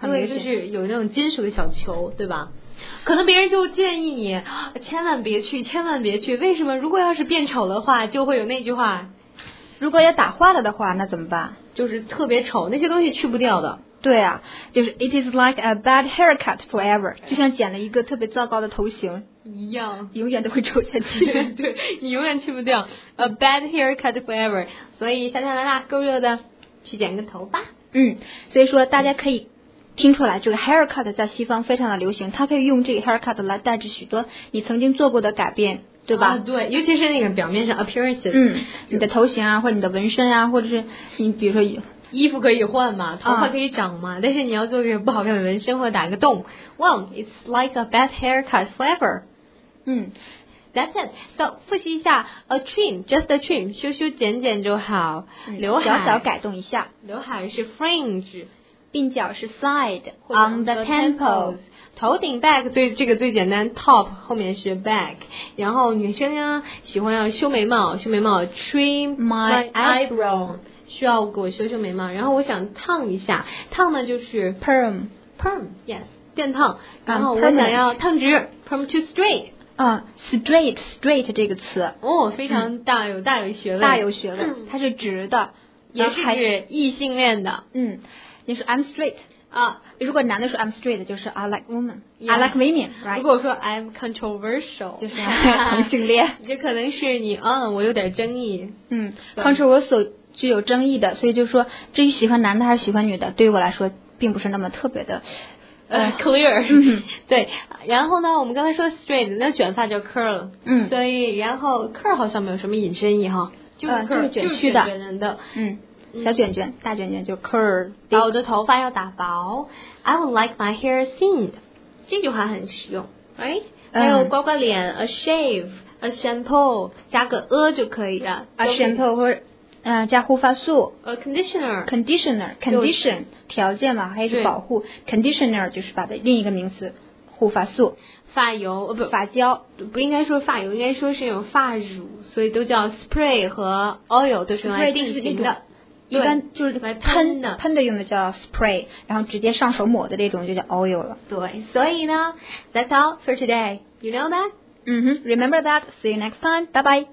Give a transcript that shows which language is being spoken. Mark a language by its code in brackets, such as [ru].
[zh] 因为就是有那种金属的小球，对吧？可能别人就建议你千万别去，千万别去。为什么？如果要是变丑的话，就会有那句话。如果要打坏了的话，那怎么办？就是特别丑，那些东西去不掉的。对啊，就是 [en] it is like a bad haircut forever， [zh] 就像剪了一个特别糟糕的头型一样，永远都会丑下去。对，你永远去不掉 [en] a bad haircut forever。 [zh] 所以夏天来啦，够热的，去剪个头吧。嗯，所以说大家可以听出来，就是 haircut 在西方非常的流行，它可以用这个 haircut 来代指许多你曾经做过的改变。对吧、啊、对，尤其是那个表面上 appearances，嗯，你的头型啊，或者你的纹身啊，或者是你比如说衣服可以换嘛，头发可以长嘛、但是你要做一个不好看的纹身或者打个洞。 [en] Well, it's like a bad haircut forever. 嗯， that's it. [zh] So 复习一下 [en] a trim, just a trim， [zh] 修修剪剪就好、刘海小小改动一下，刘海是 fringe，鬓角是 side， on the temples，头顶 back， 最这个最简单 top 后面是 back。然后女生呢喜欢要修眉毛，修眉毛 trim [en] my [zh] eyebrow， 需要给我修修眉毛。然后我想烫一下，烫呢就是 [en] perm yes [zh] 电烫。然后我想要烫直 [en] perm to straight。 [zh] straight 这个词非常大，有大有学问，大有学问。它是直的，也是指异性恋的。嗯，你说 [en] I'm straight [zh] 如果男的说 [en] I'm straight 就是 I like women， yeah, I like women、right? [zh] 如果说 [en] I'm controversial [zh] 就是同性恋，就可能是你我有点争议。嗯， controversial 具有争议的，所以就是说至于喜欢男的还是喜欢女的，对于我来说并不是那么特别的 clear。对，然后呢我们刚才说 straight， 那卷发叫 curl。嗯，所以然后 curl 好像没有什么引申意哈，就是 [en] curl [zh] 卷曲的，小卷卷、大卷卷就 curl。把我的头发要打薄， [en] I would like my hair thinned， [zh] 这句话很实用 right？还有刮刮脸 a shave， a shampoo 加个就可以的 a shampoo 或者加护发素 a conditioner， conditioner condition 条件嘛，还是保护 conditioner 就是把的另一个名词护发素，发油不发胶，不应该说发油，应该说是有发乳，所以都叫 spray 和 oil 都是用来定型的，一般就是来喷的，喷的用的叫 spray， 然后直接上手抹的这种就叫 oil 了。对，所以呢 [en] that's all for today. You know that? Mm-hmm. Remember that. See you next time. Bye-bye.